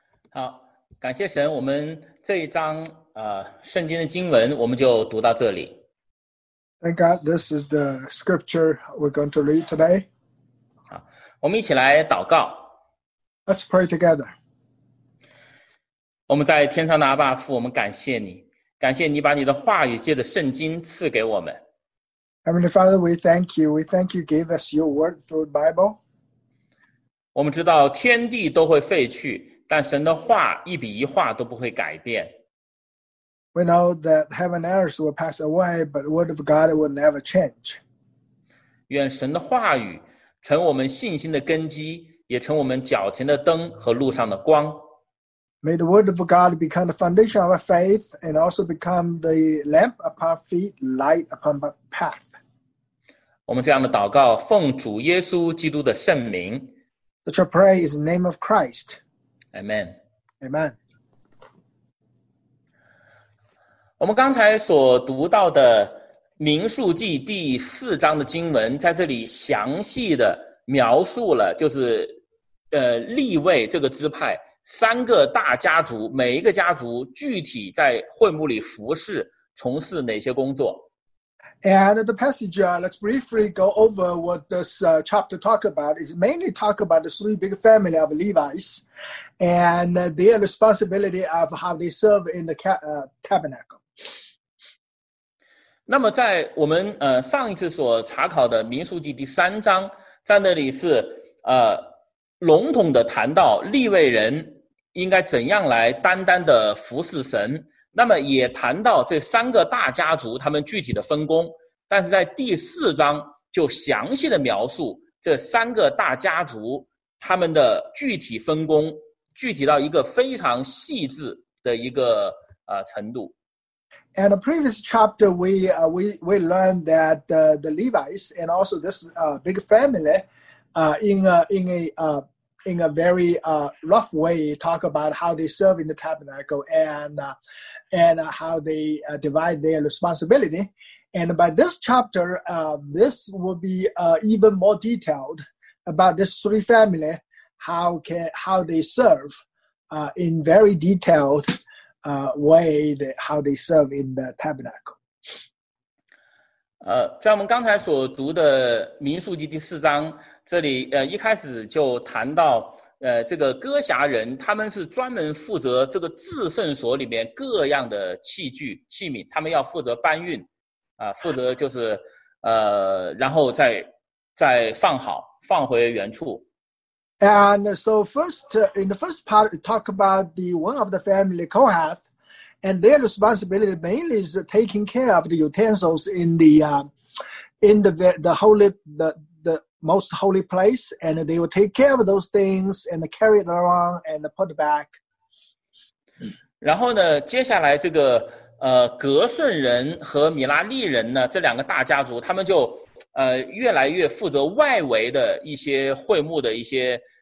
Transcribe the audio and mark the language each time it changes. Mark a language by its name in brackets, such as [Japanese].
[Chinese] 好，感谢神，我们这一章圣经的经文我们就读到这里。 [English] Thank God, this is the scripture we're going to read today. [Chinese] 好，我们一起来祷告。 [English] Let's pray together. [Chinese] 我们在天上的阿爸父，我们感谢你，感谢你把你的话语借着圣经赐给我们。 [English] Heavenly Father, we thank you. We thank you gave us your word through the Bible. [Chinese] 我们知道天地都会废去，但神的话一笔一画都不会改变。 [English] We know that heaven and earth will pass away, but the word of God will never change. [Chinese] 愿神的话语成我们信心的根基，也成我们脚前的灯和路上的光。 [English] May the word of God become the foundation of our faith and also become the lamp upon our feet, light upon our path. [Chinese] 我们这样的祷告，奉主耶稣基督的圣名。 [English] Such a prayer is in the name of Christ. Amen. Amen. [Chinese] 我们刚才所读到的民数记第四章的经文，在这里详细的描述了，就是利未这个支派三个大家族，每一个家族具体在会幕里服事，从事哪些工作。 [English] And the passage, let's briefly go over what this chapter talk about. It's mainly talk about the three big family of Levites and their responsibility of how they serve in the tabernacle. [Chinese] 那么在我们上一次所查考的民数记第三章，在那里是笼统的谈到利未人应该怎样来单单的服侍神，那么也谈到这三个大家族他们具体的分工，但是在第四章就详细的描述这三个大家族他们的具体分工，具体到一个非常细致的一个程度。 [English] And the previous chapter, we learned that the Levites and also this big family, in a very rough way, talk about how they serve in the tabernacle and how they divide their responsibility. And by this chapter, this will be even more detailed about this three family, how they serve in very detailed. Way that how they serve in the tabernacle. [Chinese] 在我们刚才所读的民数记第四章，这里一开始就谈到这个歌辖人，他们是专门负责这个至圣所里面各样的器具器皿，他们要负责搬运，负责就是然后再放好，放回原处。 [English] And so first, in the first part, we talk about the one of the family, Kohath, and their responsibility mainly is taking care of the utensils in the most holy place, and they will take care of those things and carry it around and put back. [Chinese] 然后呢，接下来这个格顺人和米拉利人呢，这两个大家族，他们就越来越负责外围的一些会幕的一些。